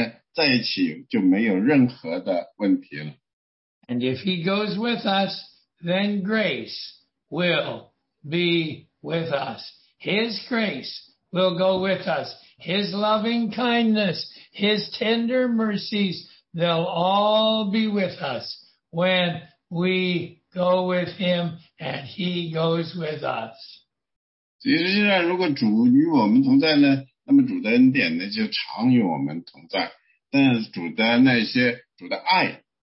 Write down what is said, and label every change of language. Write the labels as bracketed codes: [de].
[zh] 所以你说主啊，求您的灵停留在我这里面，我的灵也在您里面。这样呢，如果我们的灵互相在一起，我们在一起就没有任何的问题了。 [en] And if he goes with us, then grace will be with us. His grace will go with us. His loving kindness, his tender mercies, they'll all be with us when we go with him and he goes with us. [zh] 其实现在如果主与我们同在呢，那么主的恩典呢就常与我们同在。但主的那些主的爱。